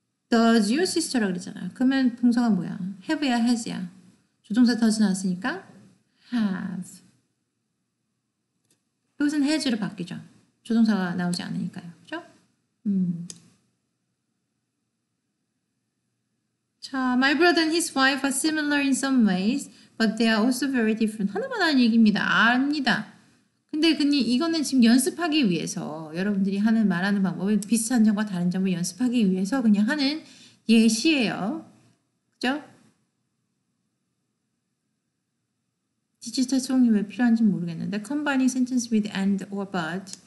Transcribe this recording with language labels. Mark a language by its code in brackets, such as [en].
[en] Does your sister [ko] 라고 그랬잖아요. 그러면 동사가 뭐야? Have야, has야? 조종사 does 나왔으니까 have. 이것은 has로 바뀌죠. 조종사가 나오지 않으니까요. 그죠? [en] 자, my brother and his wife are similar in some ways, but they are also very different. [ko] 하나만 하는 얘기입니다. 아닙니다. 근데 이거는 지금 연습하기 위해서 여러분들이 하는 말하는 방법이 비슷한 점과 다른 점을 연습하기 위해서 그냥 하는 예시예요. 그죠? 디지털 수공이 왜 필요한지 모르겠는데 [en] combining sentence with and or but.